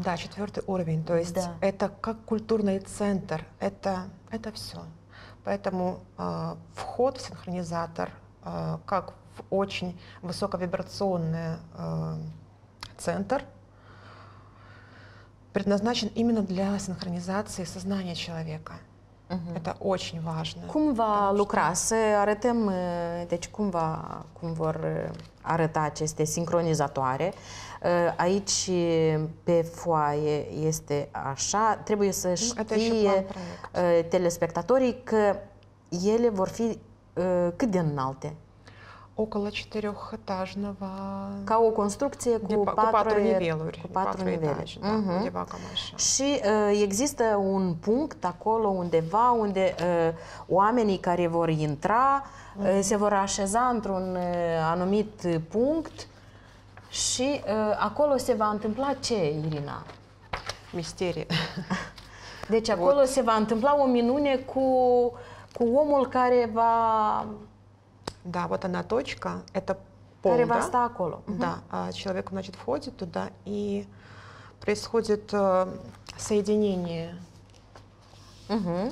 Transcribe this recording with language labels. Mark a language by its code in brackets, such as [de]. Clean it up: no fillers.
[ru] Da, четвертый уровень, то есть это как культурный центр, это все. Поэтому вход в синхронизатор как в очень высоковибрационный центр предназначен именно для синхронизации сознания человека. Это очень важно. [ro] Cumva lucrase, arătăm, deci cumva cum vor arăta aceste sincronizatoare. Aici pe foaie este așa, trebuie să știe telespectatorii că ele vor fi cât de înalte? [ru] Около четырехэтажного. [ro] Ca o construcție cu patru niveluri. Да, undeva cam așa. Și există un punct acolo undeva unde oamenii care vor intra se vor așeza într-un anumit punct și acolo se va întâmpla ce, Irina? Misterie. Deci acolo se va întâmpla o minune cu omul care va... [ru] Да, вот она точка, это пол, да? Угу. Да, человек, значит, входит туда, и происходит соединение угу.